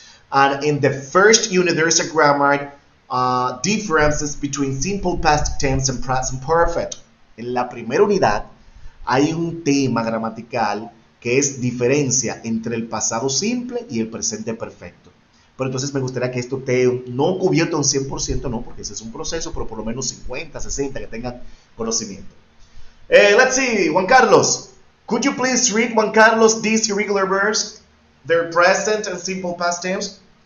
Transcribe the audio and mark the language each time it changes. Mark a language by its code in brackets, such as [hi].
[en] And in the first unit there's a grammar differences between simple past tense and present perfect. [es] En la primera unidad hay un tema gramatical que es diferencia entre el pasado simple y el presente perfecto. Pero entonces me gustaría que esto esté no cubierto en 100%, no, porque ese es un proceso, pero por lo menos 50, 60, que tengan conocimiento. [en] Let's see, Juan Carlos. Could you please read, Juan Carlos, these irregular verbs, their present and simple past tense?